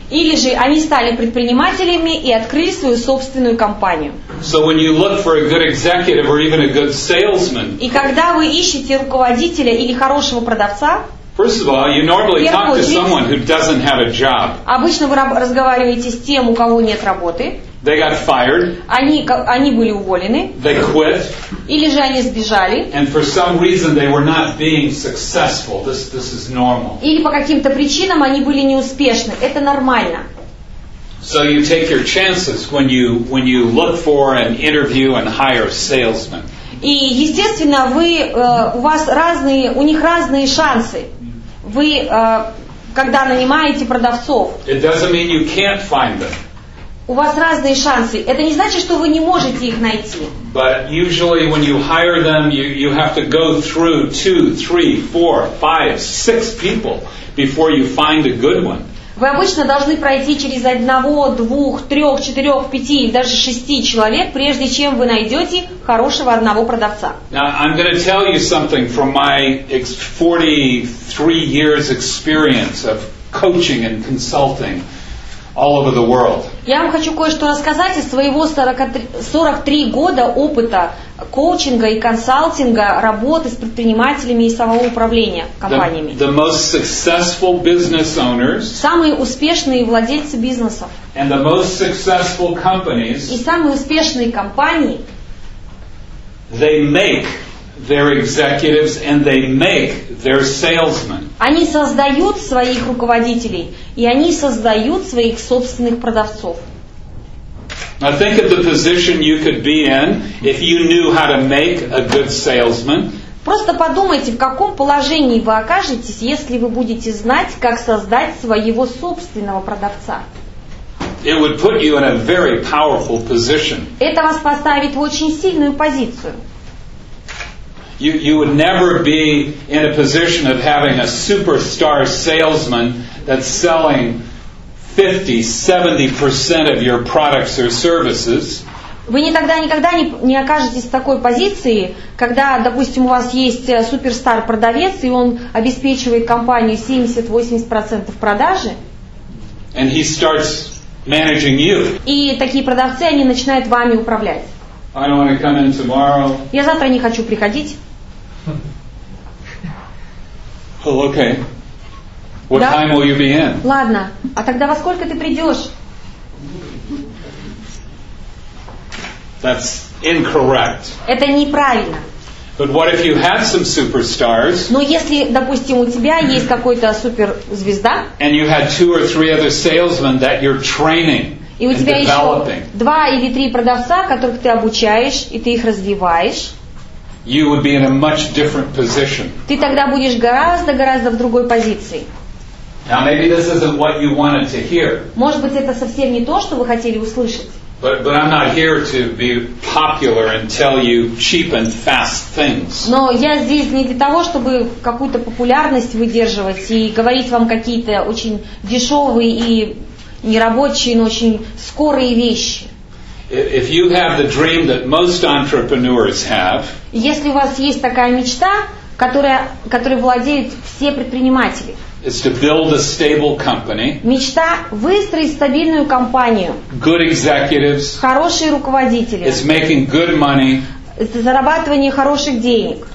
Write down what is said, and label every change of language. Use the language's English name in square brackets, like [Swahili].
[Russian] Или же они стали предпринимателями и открыли свою собственную компанию. [English] So when you look for a good executive or even a good salesman. [Russian] И когда вы ищете руководителя или хорошего продавца, [English] first of all, you normally talk to someone who doesn't have a job. [Russian] Обычно вы разговариваете с тем, у кого нет работы. [English] They got fired. [Russian] Они были уволены. [English] They quit. [Russian] Или же они сбежали. [English] And for some reason they were not being successful. This is normal. [Russian] Или по каким-то причинам они были неуспешны. Это нормально. [English] So you take your chances when you look for an interview and hire a salesman. [Russian] И, естественно, у них разные шансы. Вы, когда нанимаете продавцов, [English] it doesn't mean you can't find them. [Russian] У вас разные шансы. Это не значит, что вы не можете их найти. [English] But usually when you hire them, you have to go through 2, 3, 4, 5, 6 people before you find a good one. [Russian] Вы обычно должны пройти через 1, 2, 3, 4, 5, даже 6 человек, прежде чем вы найдете хорошего одного продавца. [English] Now, I'm going to tell you something from my 43 years experience of coaching and consulting all over the world. [Russian] Я вам хочу кое-что рассказать из своего 43 года опыта коучинга и консалтинга, работы с предпринимателями и самоуправления компаниями. [English] The most successful business owners, [Russian] самые успешные владельцы бизнесов, [English] and the most successful companies, [Russian] и самые успешные компании, [English] they make their executives and they make their salesmen. [Russian] Они создают своих руководителей, и они создают своих собственных продавцов. [English] Now think of the position you could be in if you knew how to make a good salesman. [Russian] Просто подумайте, в каком положении вы окажетесь, если вы будете знать, как создать своего собственного продавца. [English] It would put you in a very powerful position. [Russian] Это вас поставит в очень сильную позицию. [English] You would never be in a position of having a superstar salesman that's selling 50-70% of your products or services. [Russian] Вы никогда не окажетесь в такой позиции, когда, допустим, у вас есть суперстар продавец, и он обеспечивает компанию 70-80% продажи. [English] And he starts managing you. [Russian] И такие продавцы, они начинают вами управлять. [English] I don't want to come in tomorrow. [Russian] Я завтра не хочу приходить. [English] Well, okay. What [Russian] да? [English] Time will you be in? [Russian] Ладно. А тогда во сколько ты придешь? [English] That's incorrect. [Russian] Это неправильно. [English] But what if you had some superstars? [Russian] Но если, допустим, у тебя есть какой-то суперзвезда? [English] And you had two or three other salesmen that you're training. [Russian] И у тебя еще два или три продавца, которых ты обучаешь и ты их развиваешь. [English] You would be in a much different position. [Russian] Ты тогда будешь гораздо в другой позиции. [English] Now maybe this isn't what you wanted to hear. [Russian] Может быть, это совсем не то, что вы хотели услышать. [English] But I'm not here to be popular and tell you cheap and fast things. [Russian] Но я здесь не для того, чтобы какую-то популярность выдерживать и говорить вам какие-то очень дешевые и нерабочие, но очень скорые вещи. [English] If you have the dream that most entrepreneurs have, [Russian] если у вас есть такая мечта, которой владеют все предприниматели. [English] Is to build a stable company. [Russian] Мечта выстроить стабильную компанию. [English] Good executives. [Russian] Хорошие руководители. [English] Is making good money. [Russian] Зарабатывание хороших денег.